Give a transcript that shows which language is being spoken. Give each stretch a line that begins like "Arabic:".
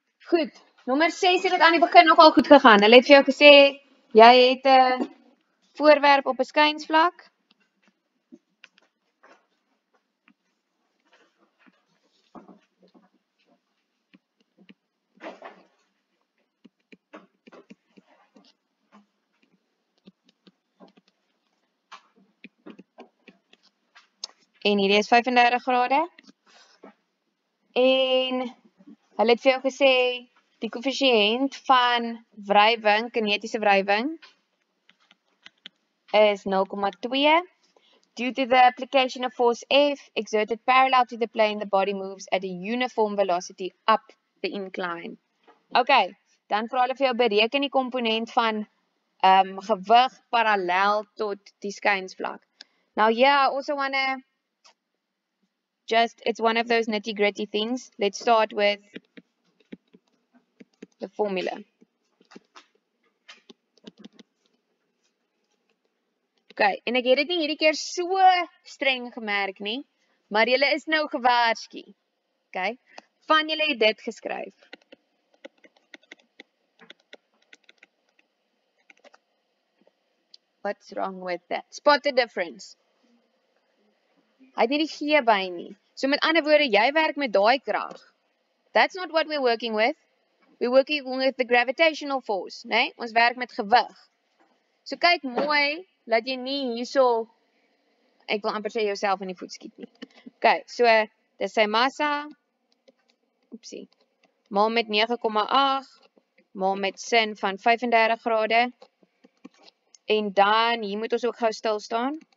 Afrikaans: Goed, nommer 6 het aan die begin nogal goed gegaan. Hulle het vir jou gesê jy het 'n voorwerp op 'n skynsvlak. En hierdie is 35 grade. En hulle het vir jou gesê die koëffisiënt van wrywing, kinetiese wrywing is 0,2.
English: Due to the application of force F exerted parallel to the plane, the body moves at a uniform velocity up the incline.
Afrikaans: Okay, dan vra hulle vir jou bereken die komponent van gewig parallel tot die skynsvlak. Nou ja,
English: yeah, also wanneer just, it's one of those nitty-gritty things. Let's start with the formula.
Afrikaans: Okay, en ek het dit nie hierdie keer so streng gemerk nie, maar julle is nou gewaarsku. Okay, van julle het dit geskryf.
English: What's wrong with that? Spot the difference.
Afrikaans: Hy het nie die gee by nie. So met ander woorde, jy werk met daai krag.
English: That's not what we're working with. We're working with the gravitational force, né? Nee?
Afrikaans: Ons werk met gewig. So kyk mooi dat jy nie hierso ek wil amper sê jouself in die voet skiet nie. Okay, so dis sy massa. Oepsie. Maal met 9,8 maal met sin van 35 grade. En dan hier moet ons ook gou stil staan.